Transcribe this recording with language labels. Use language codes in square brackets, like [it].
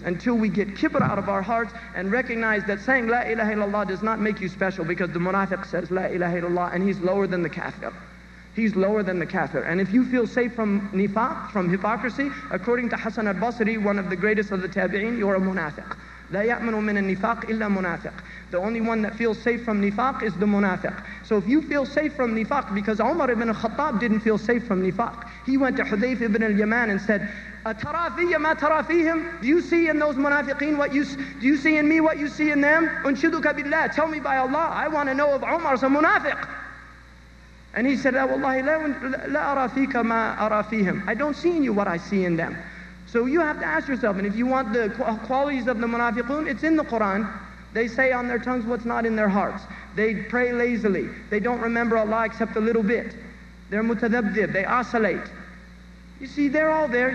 [en] Until we get kibr out of our hearts and recognize that saying La ilaha illallah does not make you special, because the munafiq says La ilaha illallah, and he's lower than the kafir. He's lower than the kafir. And if you feel safe from nifaq, from hypocrisy, according to Hassan al-Basri, one of the greatest of the tabi'in, you're a munafiq. [ar] لا يأمن من النفاق إلا منافق. [en] The only one that feels safe from nifaq is the munafiq. So if you feel safe from nifaq, because Umar ibn al-Khattab didn't feel safe from nifaq. He went to Hudayf ibn al-Yaman and said, [ar] أَتَرَى فِيَّ مَا تَرَى فِيهِمْ. [en] Do you see in those munafiqeen what you, do you see in me what you see in them? [ar] أُنْشِدُكَ بِاللَّهِ. [en] Tell me by Allah, I want to know if Umar's a munafiq. And he said, [ar] وَاللَّهِ لَا أَرَى فِيكَ مَا أَرَى فِيهِمْ. [en] I don't see in you what I see in them. So you have to ask yourself, and if you want the qualities of the munafiqun, it's in the Quran. They say on their tongues what's not in their hearts. They pray lazily. They don't remember Allah except a little bit. They're mutadabdib. They oscillate. You see, they're all there.